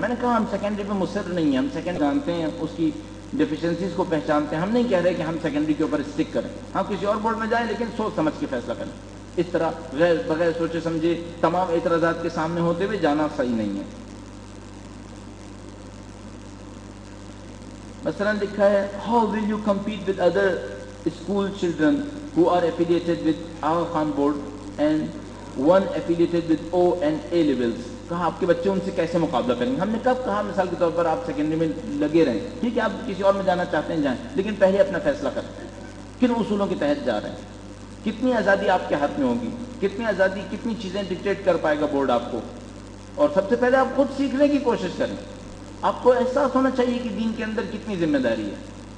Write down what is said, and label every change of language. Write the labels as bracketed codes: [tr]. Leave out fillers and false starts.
[ur] میں نے کہا ہم سیکنڈری پہ مصر نہیں ہیں، ہم سیکنڈری جانتے ہیں، اس کی ڈیفیشنسیز کو پہچانتے ہیں. ہم نہیں کہہ رہے کہ ہم سیکنڈری کے اوپر اسٹک کریں، ہاں کسی اور بورڈ میں جائیں لیکن سوچ سمجھ کے فیصلہ کریں. اس طرح غیر بغیر سوچے سمجھے تمام اعتراضات کے سامنے ہوتے ہوئے جانا صحیح نہیں ہے. مثلا لکھا ہے [en] How will you compete with other school children who are affiliated with our Khan board and one affiliated with O and A levels. [ur] کہا آپ کے بچے ان سے کیسے مقابلہ کریں گے؟ ہم نے کب کہا مثال کے طور پر آپ سیکنڈری میں لگے رہیں، ٹھیک ہے آپ کسی اور میں جانا چاہتے ہیں جائیں، لیکن پہلے اپنا فیصلہ کریں کن اصولوں کے تحت جا رہے ہیں، کتنی آزادی آپ کے ہاتھ میں ہوگی، کتنی آزادی، کتنی چیزیں ڈکٹیٹ کر پائے گا بورڈ آپ کو. اور سب سے پہلے آپ خود سیکھنے کی کوشش کریں، آپ کو احساس ہونا چاہیے کہ دین کے اندر کتنی ذمہ داری ہے.